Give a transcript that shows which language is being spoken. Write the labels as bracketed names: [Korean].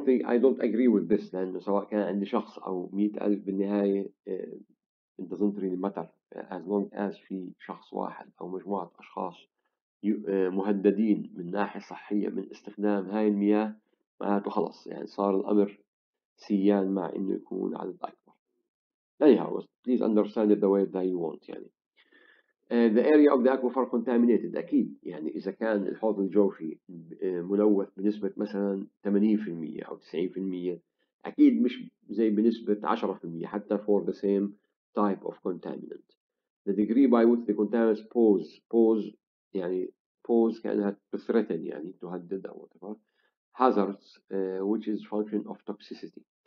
[English] I don't agree with this، [Arabic] لأنه سواء كان عندي شخص أو 100,000 بالنهاية [English] it doesn't really matter as long as [Arabic] في شخص واحد أو مجموعة أشخاص مهددين من ناحية صحية من استخدام هاي المياه، معناته خلص يعني صار الأمر سيان مع إنه يكون عدد أكبر. [English] Anyhow, please understand it the way that you want. [Arabic] يعني [English] the area of the aquifer contaminated، [Arabic] أكيد يعني إذا كان الحوض الجوفي ملوث بنسبة مثلا 80% أو 90%، أكيد مش زي بنسبة 10% حتى [English] for the same type of contaminant. The degree by which the contaminants pose يعني pose [Arabic] كأنها [English] threaten [Arabic] يعني تهدد أو [English] whatever hazards which is function of toxicity.